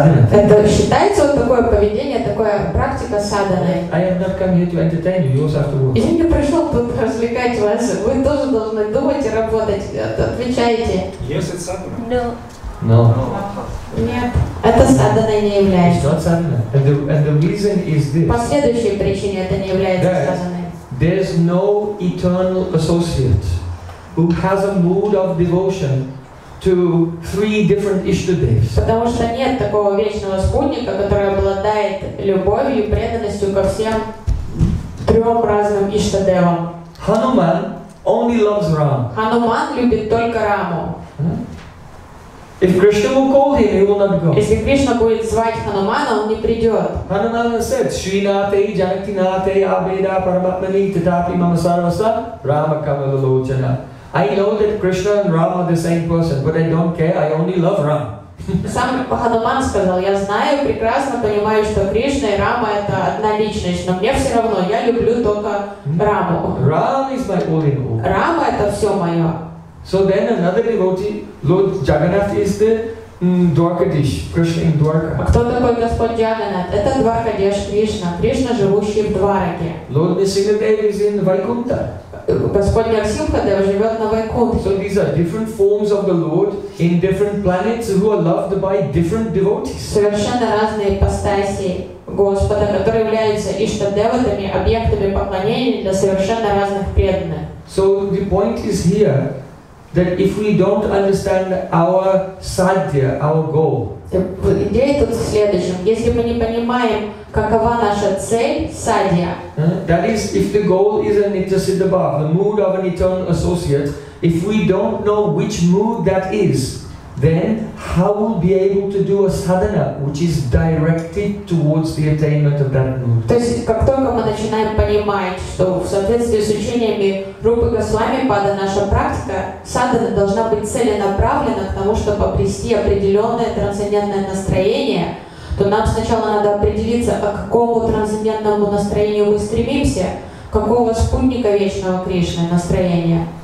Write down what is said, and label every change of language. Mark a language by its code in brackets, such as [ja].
[ru] Это считается вот такое поведение, такая практика садханы. [en] I am not come here to entertain you, you also have to work. [ru] Я не пришел тут развлекать вас. Вы тоже должны думать и работать. Отвечайте. [en] Yes, it's sadhana. No. No. [ru] Нет. Это садханой не является. [en] It's not sadhana. And the reason is this. [ru] По следующей причине это не является садханой. [en] There's no eternal associate who has a mood of devotion to three different Ishtadevs. [ru] Потому что нет такого вечного спутника, который обладает любовью и преданностью ко всем трем разным Ishtadevам. [en] Hanuman only loves Ram. [ru] Hanuman любит только Раму. [en] If Krishna will call him, he will not go. [ru] Если Кришна будет звать Ханумана, он не придет. [en] Hanuman said, [sa] Shrinate, Janatinate, Abheda, Paramatmani, Tatapi, Mamasarvasa, Rama Kamalalochana. [en] I know that Krishna and Rama are the same person, but I don't care, I only love Ram. [ru] Сам Хануман сказал, я знаю, прекрасно понимаю, что Кришна и Рама — это одна личность, но мне все равно, я люблю только Раму. [en] Ram is my all in all. [ru] Рама — это все мое. [en] So then another devotee, Lord Jagannath, is the Dwarkadish, Krishna in Dwarka. [ru] Кто такой Господь Джаганнат? Это Дваркадиш Кришна, Кришна, живущий в Двараке. [en] Lord Nisimadev is in Vaikuntha. [ru] Господь Нарсимхадев живет на Вайкунте. [en] So these are different forms of the Lord in different planets who are loved by different devotees. [ru] Совершенно разные ипостаси Господа, которые являются Иштадеватами, объектами поклонения для совершенно разных преданных. [en] So the point is here that if we don't understand our sadhya, our goal. [ru] Идея тут в следующем. Если мы не понимаем, какова наша цель, садья. [en] That is, if the goal is a nitya siddha bhava, the mood of an eternal associate, if we don't know which mood that is, then how will we be able to do a sadhana which is directed towards the attainment of that mood? [ru] То есть, как только мы начинаем понимать, что в соответствии с учениями Рупы Госвами Пада наша практика, садхана должна быть целенаправлена к тому, чтобы обрести определенное трансцендентное настроение, то нам сначала надо определиться, к какому трансцендентному настроению мы стремимся, какого спутника вечного Кришны настроения.